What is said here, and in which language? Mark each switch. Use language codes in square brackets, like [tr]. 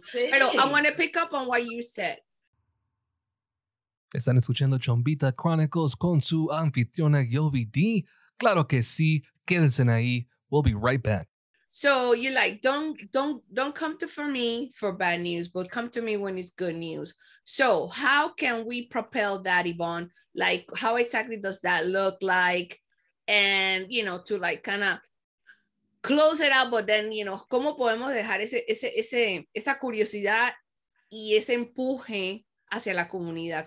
[en] Pero I want to pick up on what you said. [es] ¿Están escuchando Chombita Chronicles con su anfitriona Yovi D? Claro que sí. Quédense ahí. [en] We'll be right back. So you're like, don't come to for me for bad news, but come to me when it's good news. So how can we propel that, Yvonne? Like, how exactly does that look like? And, you know, to like kind of close it out, but then, you know, [es] ¿cómo podemos dejar esa curiosidad y ese empuje hacia la comunidad?